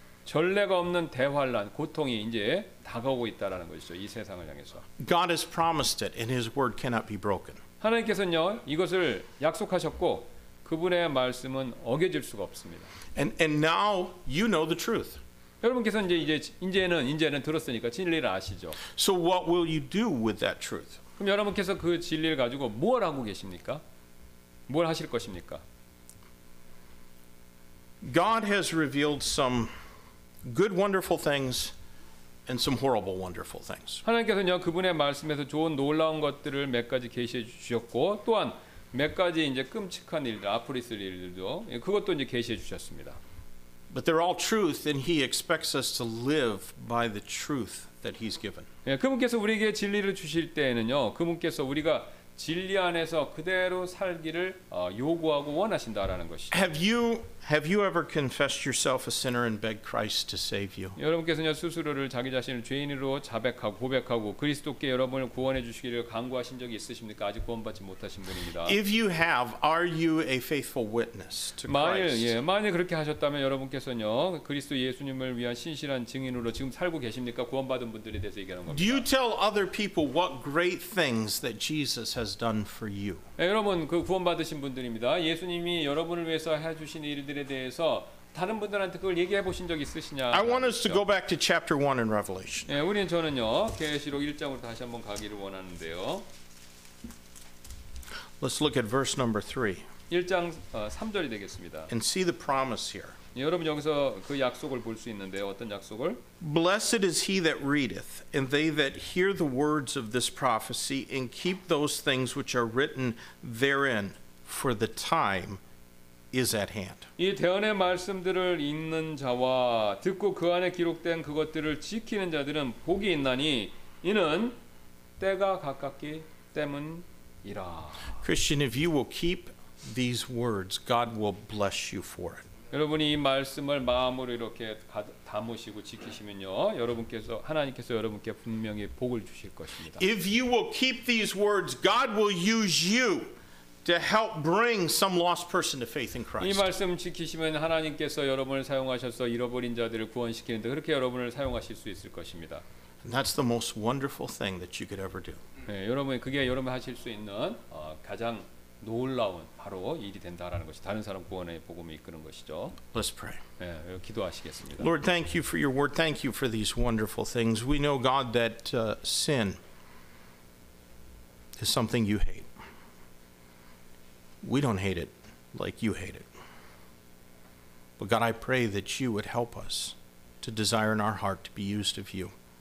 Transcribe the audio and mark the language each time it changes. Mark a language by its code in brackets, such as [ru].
[ko] 전례가 없는 대환란 고통이 이제 다가오고 있다라는 것이죠. 이 세상을 향해서. [en] God has promised it and his word cannot be broken. [ko] 하나님께서는요. 이것을 약속하셨고 그분의 말씀은 어겨질 수가 없습니다. [en] And now you know the truth. [ko] 여러분께서 이제는 들었으니까 진리를 아시죠. [en] So what will you do with that truth? [ko] 그럼 여러분께서 그 진리를 가지고 뭘 하고 계십니까? 뭘 하실 것입니까? [en] God has revealed some good wonderful things and some horrible wonderful things. [ko] 하나님께서요 그분의 말씀에서 좋은 놀라운 것들을 몇 가지 계시해 주셨고 또한 몇 가지 이제 끔찍한 일들, 앞으로 있을 일들도 그것도 이제 계시해 주셨습니다. [en] But they're all truth, and He expects us to live by the truth that He's given. [ko] 예, 그분께서 우리에게 진리를 주실 때에는요, 그분께서 우리가 진리 안에서 그대로 살기를 요구하고 원하신다라는 것이. [en] Have you ever confessed yourself a sinner and begged Christ to save you? [ko] 여러분께서는 스스로를 자기 자신을 죄인으로 자백하고 고백하고 그리스도께 여러분을 구원해 주시기를 간구하신 적이 있으십니까? 아직 구원받지 못하신 분입니다. [en] If you have, are you a faithful witness to Christ? [ko] 만일 그렇게 하셨다면 여러분께서는요 그리스도 예수님을 위한 신실한 증인으로 지금 살고 계십니까? 구원받은 분들에 대해서 얘기하는 겁니다. [en] Do you tell other people what great things that Jesus has done for you? [ko] 여러분 그 구원받으신 분들입니다. 예수님이 여러분을 위해서 해주신 일들에 대해서 다른 분들한테 그걸 얘기해 보신 적 있으시냐? [en] I want us to go back to chapter 1 in Revelation. [ko] 예, 저는요 계시록 1장으로 다시 한번 가기를 원하는데요. [en] Let's look at verse number 3. [ko] 1장 3절이 되겠습니다. [en] And see the promise here. [ko] 여러분 여기서 그 약속을 볼 수 있는데 어떤 약속을? [en] Blessed is he that readeth, and they that hear the words of this prophecy, and keep those things which are written therein, for the time is at hand. [ko] 이 대언의 말씀들을 읽는 자와 듣고 그 안에 기록된 그것들을 지키는 자들은 복이 있나니 이는 때가 가깝기 때문이라. [en] Christian, if you will keep these words, God will bless you for it. [ko] 여러분이 이 말씀을 마음으로 이렇게 담으시고 지키시면요, 여러분께서 하나님께서 여러분께 분명히 복을 주실 것입니다. [en] If you will keep these words, God will use you to help bring some lost person to faith in Christ. [ko] 이 말씀 지키시면 하나님께서 여러분을 사용하셔서 잃어버린 자들을 구원시키는데 그렇게 여러분을 사용하실 수 있을 것입니다. [en] And that's the most wonderful thing that you could ever do. [ko] 네, 여러분이 그게 여러분 하실 수 있는 가장 놀라운 바로 일이 된다라는 것이 다른 사람 구원의 복음이 이끄는 것이죠. [en] Let's pray. [ko] 예, 기도하시겠습니다. [en] Lord, thank you for your word. Thank you for these wonderful things. We know, God, that sin is something you hate. We don't hate it like you hate it. But God, I pray that you would help us to desire in our heart to be used of you.